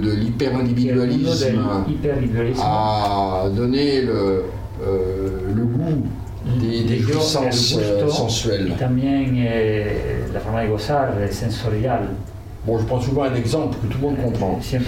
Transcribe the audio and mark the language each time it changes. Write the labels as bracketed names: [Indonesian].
[French] de l'hyper-individualisme a donné le goût des jouissances sensuelles. Et [Spanish] también la forma de gozar, sensorial. [French] Bon, je prends souvent un exemple que tout le monde comprend.